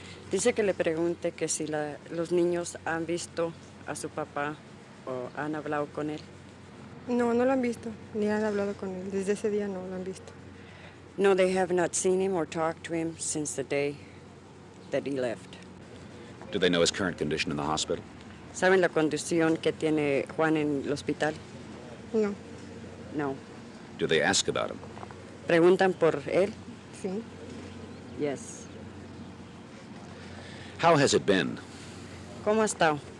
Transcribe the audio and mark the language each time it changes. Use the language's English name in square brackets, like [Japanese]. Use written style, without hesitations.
[Spanish] dice que le pregunte que si la, los niños han visto a su papá o han hablado con él. No, no lo han visto, ni han hablado con él. Desde ese día no lo han visto. [English] No, they have not seen him or talked to him since the day that he left. Do they know his current condition in the hospital? [Spanish] ¿Saben la condición que tiene Juan en el hospital? No. [English] No. Do they ask about him? [Spanish] ¿Preguntan por él? Sí. [English] Yes. How has it been? [Spanish] ¿Cómo ha estado?